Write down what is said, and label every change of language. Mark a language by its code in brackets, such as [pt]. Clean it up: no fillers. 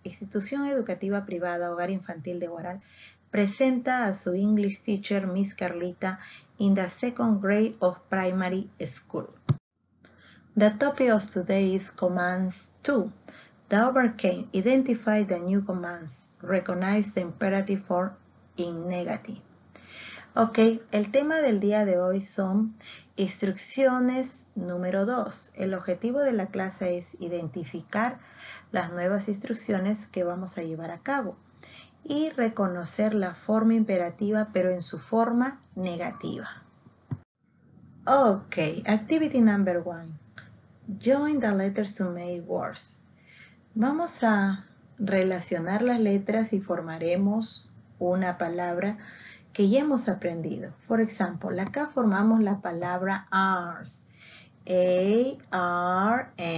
[es] Institución educativa privada Hogar Infantil de Guaral presenta a su [en] English teacher Miss Carlita in the second grade of primary school. The topic of today is commands 2. The overcame. Identify the new commands. Recognize the imperative form in negative. [es] Ok, el tema del día de hoy son instrucciones número 2. El objetivo de la clase es identificar las nuevas instrucciones que vamos a llevar a cabo y reconocer la forma imperativa, pero en su forma negativa. [en] Ok, activity number 1. Join the letters to make words. [es] Vamos a relacionar las letras y formaremos una palabra que ya hemos aprendido. Por ejemplo, acá formamos la palabra arms. A-R-M-S.